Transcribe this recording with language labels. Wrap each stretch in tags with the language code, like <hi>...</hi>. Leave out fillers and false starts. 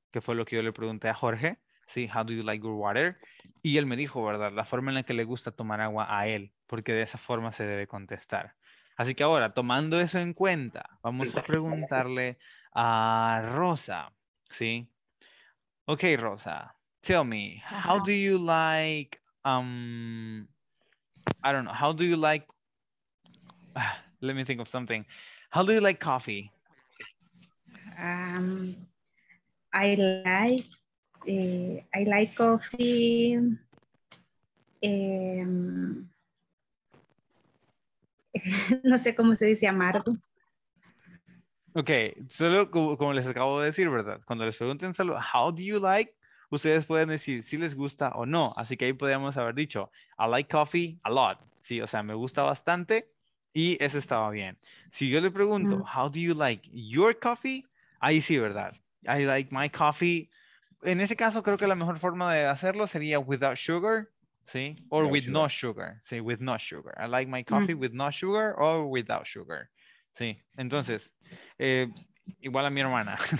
<es>Que fue lo que yo le pregunté a Jorge. Sí,</es> <en>how do you like your water?</en> <es>Y él me dijo, ¿verdad? La forma en la que le gusta tomar agua a él. Porque de esa forma se debe contestar. Así que ahora, tomando eso en cuenta, vamos a preguntarle a Rosa. ¿Sí? Okay, Rosa.</es> <en>Tell me, how do you like, I don't know, how do you like, let me think of something. How do you like coffee? I like coffee,</en> <es>no sé cómo se dice, amargo. Ok, solo como les acabo de decir, ¿verdad? Cuando les pregunten solo,</es> <en>how do you like,</en> <es>ustedes pueden decir si les gusta o no. Así que ahí podríamos haber dicho,</es> <en>I like coffee a lot.</en> <es>Sí, o sea, me gusta bastante y eso estaba bien. Si yo le pregunto,</es> <en>how do you like your coffee?</en> <es>Ahí sí, ¿verdad?</es> <en>I like my coffee.</en> <es>En ese caso, creo que la mejor forma de hacerlo sería</es> <en>without sugar,</en> <es>¿sí?</es> <en>Or with no sugar. Sí, with no sugar. I like my coffee with no sugar or without sugar.</en> <es>Sí, entonces, igual a mi hermana.</es>